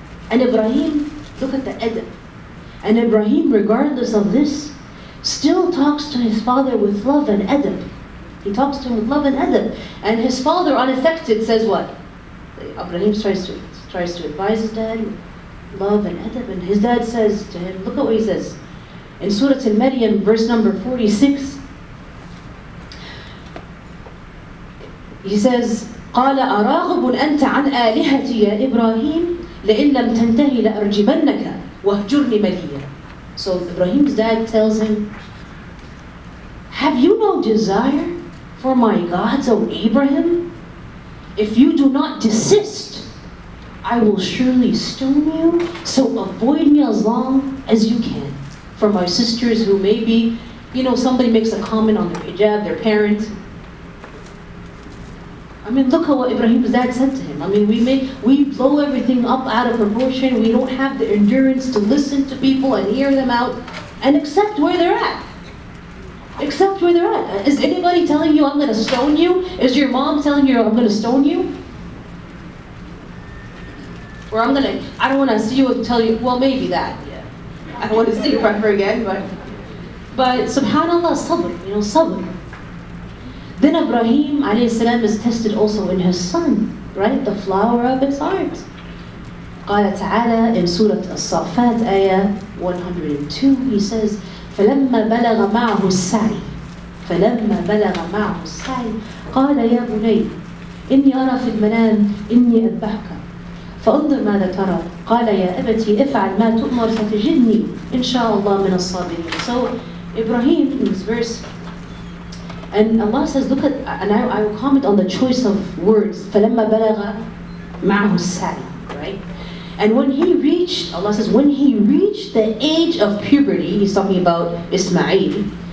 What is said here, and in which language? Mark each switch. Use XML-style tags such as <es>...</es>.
<en>And Ibrahim, look at the adab. And Ibrahim, regardless of this, still talks to his father with love and adab. He talks to him with love and adab. And his father, unaffected, says what? Ibrahim tries to advise his dad with love and adab. And his dad says to him, look at what he says. In Surah Al-Maryam, verse number 46, he says,</en> <ar>قَالَ أَرَاغِبٌ أَنْتَ عَنْ آلِهَتِي يَا إِبْرَاهِيمِ لَإِنْ لَمْ تَنْتَهِي لَأَرْجِمَنَّكَ وَهْجُرْنِي مَلِيًّا.</ar> <en>So Ibrahim's dad tells him, have you no desire for my gods, O Abraham? If you do not desist, I will surely stone you. So avoid me as long as you can. For my sisters who maybe, you know, somebody makes a comment on the hijab, their parent. I mean, look at what Ibrahim's dad said to him. I mean, we blow everything up out of proportion. We don't have the endurance to listen to people and hear them out and accept where they're at. Accept where they're at. Is anybody telling you, I'm going to stone you? Is your mom telling you, I'm going to stone you? Or I'm going to, I don't want to see you and tell you, well, maybe that. I don't want to see you forever again, but subhanAllah, sabr, you know, sabr. Then Ibrahim alayhi salam is tested also in his son, right? The flower of his heart.</en> <ar>قَالَ تَعَالَى</ar> <en>in Surah As-Safat, ayah 102, he says,</en> <ar>فَلَمَّا بَلَغَ مَعْهُ السَّعِي فَلَمَّا بَلَغَ مَعْهُ السَّعِي قَالَ يَا بُنَيَّ إِنِّي أَرَى فِي الْمَنَامِ إِنِّي أَذْبَحُكَ فَانْظُرْ مَاذَا تَرَى قَالَ يَا أَبَتِي إِفْعَلْ مَا تُؤْمَرْ فَتَجِدْنِي إِنْ شَاءَ اللَّهُ مِنَ الصَّابِرِينَ.</ar> <en>So Ibrahim in this verse, and Allah says, look at, and I will comment on the choice of words,</en> <ar>فَلَمَّا بَلَغَ مَعْهُ السَّعِي,</ar> <en>right? And when he reached, Allah says, when he reached the age of puberty, he's talking about Ismail.</en>